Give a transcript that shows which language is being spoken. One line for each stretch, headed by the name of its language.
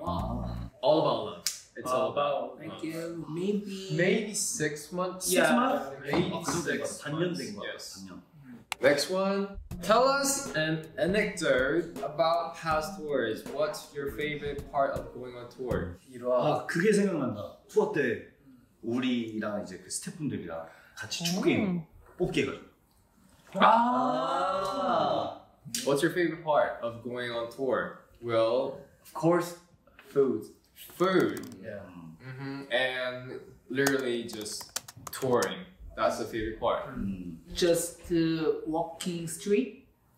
English: All about love. It's all about. Thank you. Maybe 6 months? Yeah. 6 months? Maybe 6 months. Yes. Next one. Tell us an anecdote about past tours. What's your favorite part of going on tour?
Korean: 아, 그게 생각난다. 투어 때 우리랑 이제 그 스태프분들이랑 같이 축구게임 뽑기 해가지고. 아.
English: What's your favorite part of going on tour? Well, of course, food. Food. Yeah. Mm-hmm. And literally just touring. That's the favorite part. Just walking street.